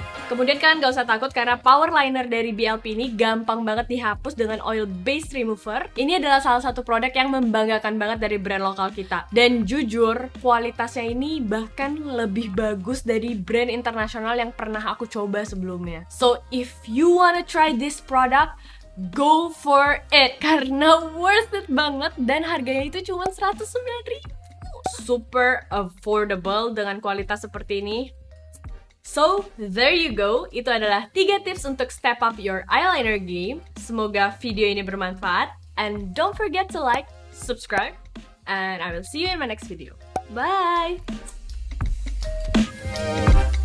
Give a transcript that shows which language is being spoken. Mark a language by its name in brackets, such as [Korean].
[Indonesian] Kemudian kalian gak usah takut karena power liner dari BLP ini gampang banget dihapus dengan oil based remover. Ini adalah salah satu produk yang membanggakan banget dari brand lokal kita. Dan jujur, kualitasnya ini bahkan lebih bagus dari brand internasional yang pernah aku coba sebelumnya. [English] So if you wanna try this product, go for it! [Indonesian] Karena worth it banget dan harganya itu cuma 109.000. [English] Super affordable [Indonesian] dengan kualitas seperti ini. [English] So, there you go. [Indonesian] Itu adalah 3 tips untuk [English] step up your eyeliner game. [Indonesian] Semoga video ini bermanfaat. [English] And don't forget to like, subscribe, and I will see you in my next video. Bye!